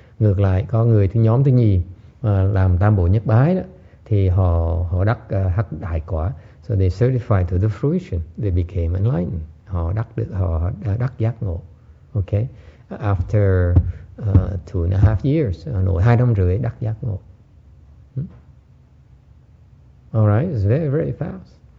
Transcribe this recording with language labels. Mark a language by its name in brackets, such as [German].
[Vietnamese] Ngược lại có người thứ nhóm thứ nhì làm tam bộ nhất bái đó thì họ đắc hắc đại quả. [English] So they certified to the fruition, they became enlightened. [Vietnamese] Họ đắc giác ngộ. [English] Okay, after 2.5 years, [Vietnamese] nổi 2.5 năm đắc giác ngộ. [English] All right, it's very very fast.